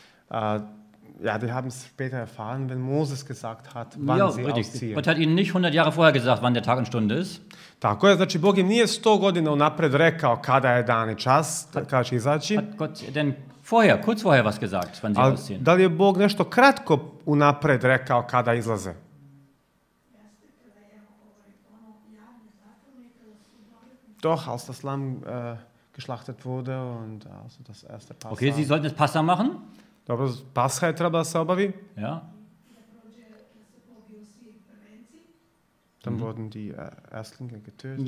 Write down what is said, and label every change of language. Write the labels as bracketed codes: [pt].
[de] Ja, die haben es später erfahren, wenn Moses gesagt hat, wann ja, sie richtig. Ausziehen. Gott hat ihnen nicht 100 Jahre vorher gesagt, wann der Tag und Stunde ist. [sr] Tako je, znači Bog im nije 100 godina unapred rekao kada je dan i čas, kada će izaći. [de] Hat Gott denn vorher, kurz vorher was gesagt, wann sie ausziehen? [sr] Da li je Bog nešto kratko unapred rekao kada izlaze? [de] Doch, als das Lamm geschlachtet wurde und also das erste Passa. Okay, sie sollten das Passa machen? [sr] Dobro, Pascha je trebala da se obavi. [de] Ja. Dann wurden die Erstlinge getötet.